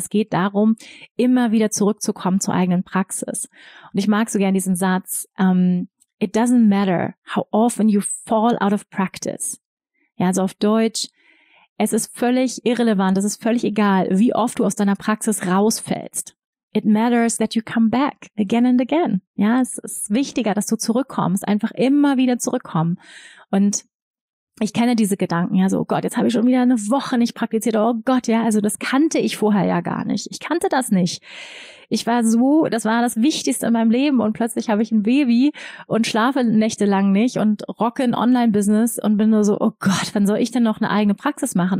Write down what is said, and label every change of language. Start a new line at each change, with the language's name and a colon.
German: Es geht darum, immer wieder zurückzukommen zur eigenen Praxis. Und ich mag so gern diesen Satz,
English: it doesn't matter how often you fall out of practice.
German: Ja, also auf Deutsch, es ist völlig irrelevant, es ist völlig egal, wie oft du aus deiner Praxis rausfällst.
English: It matters that you come back again and again.
German: Ja, es ist wichtiger, dass du zurückkommst, einfach immer wieder zurückkommen. Und ich kenne diese Gedanken, ja, so, oh Gott, jetzt habe ich schon wieder eine Woche nicht praktiziert, oh Gott, ja, also das kannte ich vorher ja gar nicht. Ich kannte das nicht. Ich war so, das war das Wichtigste in meinem Leben und plötzlich habe ich ein Baby und schlafe nächtelang nicht und rocke ein Online-Business und bin nur so, oh Gott, wann soll ich denn noch eine eigene Praxis machen?